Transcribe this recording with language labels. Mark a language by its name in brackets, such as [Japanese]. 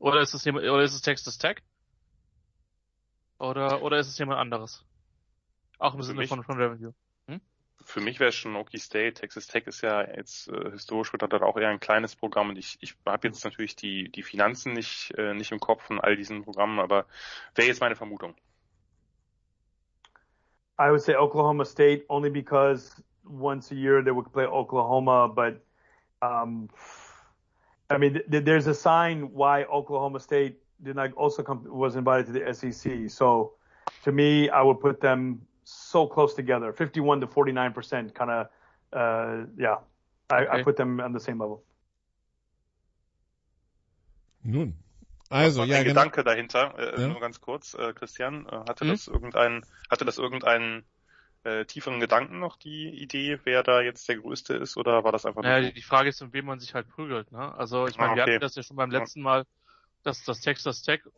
[German] Oder ist es Texas Tech? Oder ist es jemand anderes? Auch im Sinne von Revenue. Für mich wäre es schon Okie State. Texas Tech ist ja jetzt historisch betrachtet auch eher ein kleines Programm und ich habe jetzt natürlich die Finanzen nicht im Kopf von all diesen Programmen, aber wäre jetzt meine Vermutung. [English] I would say Oklahoma State only because once a year they would play Oklahoma, but I mean there's a sign why Oklahoma State did not also was invited to the SEC. So to me, I would put them so close together, 51-49%, kind of, okay. I put them on the same level. [German] Nun, also, ja, genau. Gedanke dahinter, nur ganz kurz, Christian, hatte das irgendeinen tieferen Gedanken noch, die Idee, wer da jetzt der Größte ist, oder war das einfach nur... Die Frage ist, um wen man sich halt prügelt, ne? Also, ich meine, wir hatten das ja schon beim letzten Mal, dass das Texas Tech...